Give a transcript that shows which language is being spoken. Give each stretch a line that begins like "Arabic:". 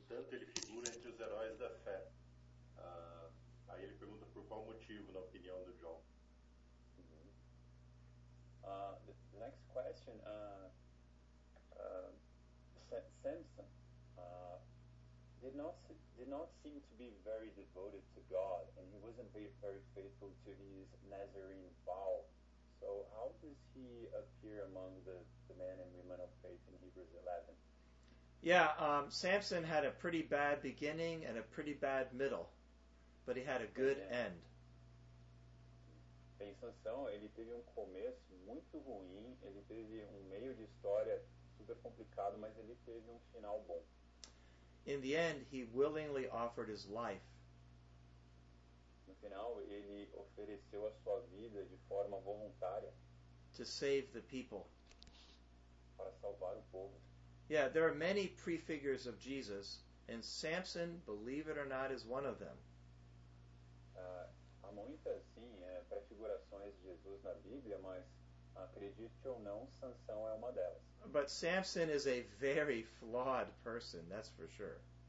Portuguese: Ele figura entre os heróis da fé. Aí ele pergunta por qual motivo, na opinião do John.
English: The next question, Samson did not seem to be very devoted to God, and he wasn't very faithful to his Nazarene vow. So how does he appear among the men and women of faith in Hebrews 11? Yeah, Samson had a pretty bad beginning and a pretty bad middle, but he had a good end.
Portuguese: Bem, Sansão, ele teve um começo muito ruim, ele teve um meio de história super complicado, mas ele teve um final bom.
English: In the end, he willingly offered his life.
Portuguese: No final, ele ofereceu a sua vida de forma voluntária.
English: To save the people.
Portuguese: Para salvar o povo.
English: Yeah, there are many prefigures of Jesus, and Samson, believe it or not, is one of them.
Portuguese: Há muitas, sim, prefigurações de Jesus na Bíblia, mas acredite ou não, Sansão é uma delas.
English: But Samson is a very flawed person, that's for sure.